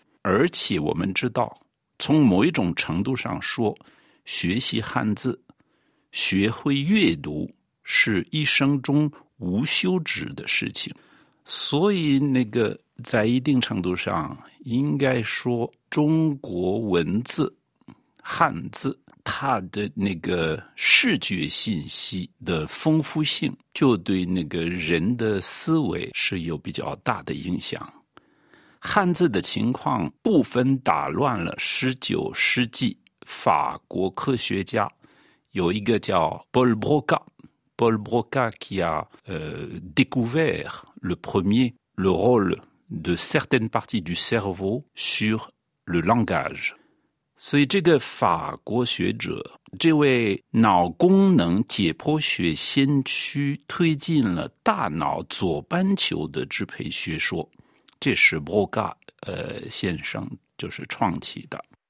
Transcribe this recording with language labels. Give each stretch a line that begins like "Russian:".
Chinese: 而且我们知道，从某一种程度上说，学习汉字，学会阅读，是一生中无休止的事情。所以那个在一定程度上，应该说中国文字，汉字，它的那个视觉信息的丰富性就对那个人的思维是有比较大的影响。汉字的情况部分打乱了19世纪法国科学家有一个叫
French: Paul Broca， Paul Broca qui a découvert le premier le rôle de certaines parties du cerveau sur le langage。
Chinese: 所以这个法国学者，这位脑功能解剖学先驱，推进了大脑左半球的支配学说，这是 Broca 先生就是创起的。